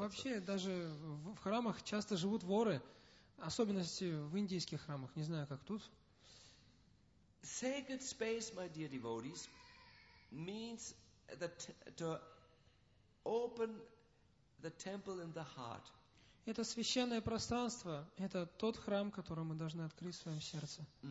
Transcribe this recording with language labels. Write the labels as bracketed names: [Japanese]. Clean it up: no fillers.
[Russian] Вообще, даже в храмах часто живут воры, особенно в индийских храмах. Не знаю, как тут. [English] Sacred space, my dear devotees, means that to open the temple in the heart. [Russian] Это священное пространство, это тот храм, который мы должны открыть в своем сердце.